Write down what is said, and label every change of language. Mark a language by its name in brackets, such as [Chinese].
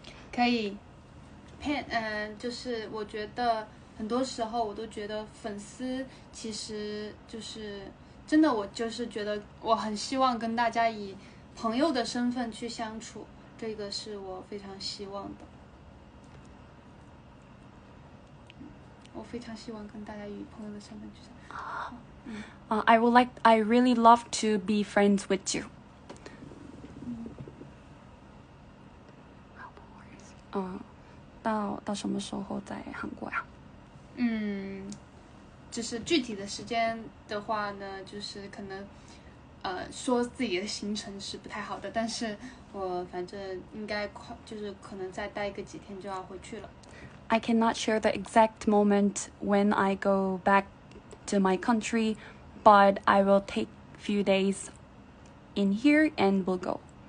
[Chinese] 可以，就是我觉得很多时候我都觉得粉丝其实就是真的，我就是觉得我很希望跟大家以朋友的身份去相处，这个是我非常希望的。我非常希望跟大家以朋友的身份去相处。 [English] I really love to be friends with you. [Chinese] 到什么时候在韩国呀？嗯，就是具体的时间的话呢，就是可能说自己的行程是不太好的，但是我反正应该快，就是可能再待个几天就要回去了。 [English] I cannot share the exact moment when I go back to my country, but I will take a few days in here and will go.